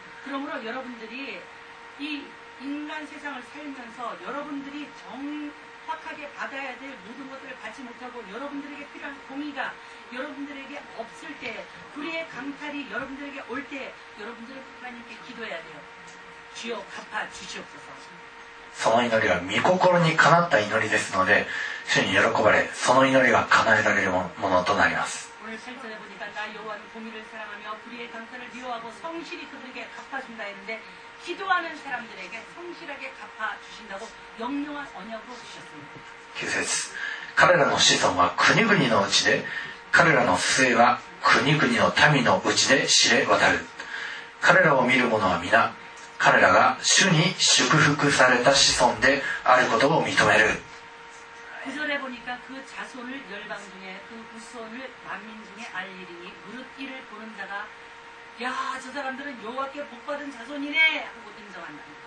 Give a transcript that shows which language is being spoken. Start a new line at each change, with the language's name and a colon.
Korean: 그러므로여러분들이이인간세상을살면서여러분들이정확하게받아야될모든것들을받지못하고여러분들에게필요한공의가여러분들에게없을때불의의강탈이여러분들에게올때여러분들은하나님께기도해야돼요주여갚아주시옵소서
Japanese: その祈りは御心にかなった祈りですので主に喜ばれその祈りが叶えられるものとなります
Korean: 오늘 설전에 보니까 나 여호와는 공의를 사랑하며 불의의 강탈을 미워하고 성실히 그들에게 갚아준다 했는데 기도하는 사람들에게 성실하게 갚아주신다고 영영한 언약으로 주셨습니다. 기도했어.
Japanese: 彼らの子孫は国々のうちで、彼らの末は国々の民のうちで知れ渡る。彼らを見る者は皆、彼らが主に祝福された子孫であることを認める。
Korean: 구절에보니까그자손을열방중에그후손을만민중에알리니무릇이를보는자가야저사람들은여호와께복받은자손이네하고인정한다